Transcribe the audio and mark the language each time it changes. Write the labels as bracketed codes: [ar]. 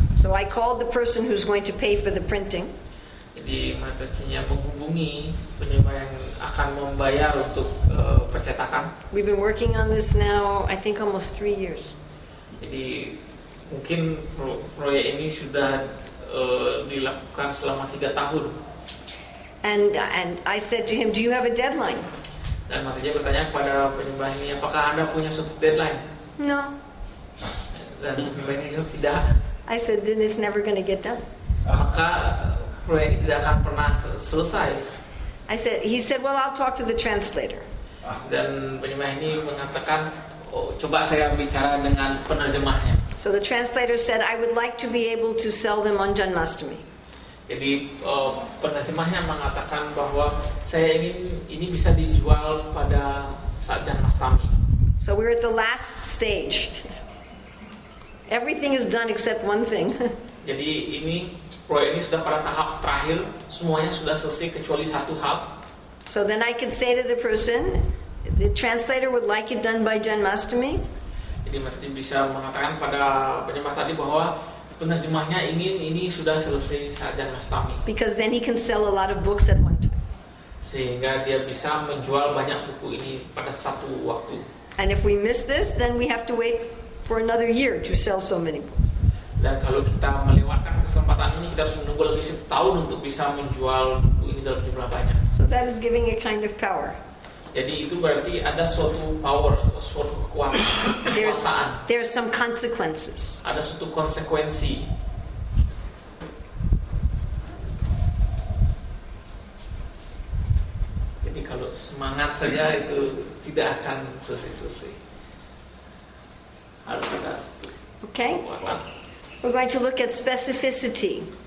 [en] So I called the person who's going to pay for the printing. [id] Jadi matanya menghubungi penyembah yang akan membayar untuk percetakan. [en] We've been working on this now, I think almost 3 years. [id] Jadi mungkin proyek ini sudah dilakukan selama 3 tahun. [en] And I said to him, do you have a deadline? [id] Dan matanya bertanya kepada penyembah ini, apakah Anda punya suatu deadline? [en] No. [id] Dan penyembah ini jawab, tidak. [en] I said, then it's never going to get done. [id] Maka proyek ini tidak akan pernah selesai. [en] He said, well, I'll talk to the translator. [id] Dan penyembah ini mengatakan, oh, coba saya bicara dengan penerjemahnya. [en] So the translator said, I would like to be able to sell them on Janmashtami. [id] Jadi penerjemahnya mengatakan bahwa saya ingin ini bisa dijual pada saat Janmashtami. [en] So we're at the last stage. Everything is done except one thing. [id] Jadi ini proyek ini sudah pada tahap terakhir, semuanya sudah selesai kecuali satu hal. [en] So then I could say to the person, the translator would like it done by Janmashtami. [id] Jadi mungkin bisa mengatakan pada penyembah tadi bahwa penerjemahnya ingin ini sudah selesai saat Janmashtami. [en] Because then he can sell a lot of books at one time. [id] Sehingga dia bisa menjual banyak buku ini pada satu waktu. [en] And if we miss this, then we have to wait for another year to sell so many books. [id] Dan kalau kita melewatkan kesempatan ini, kita harus menunggu lebih setahun untuk bisa menjual buku ini dalam jumlah banyak. [en] So that is giving a kind of power. [id] Jadi itu berarti ada suatu power atau suatu kekuatan. [en] There's some consequences. [id] Ada suatu konsekuensi. Jadi kalau semangat saja itu tidak akan selesai-selesai. Harus ada suatu. [en] Okay. We're going to look at specificity.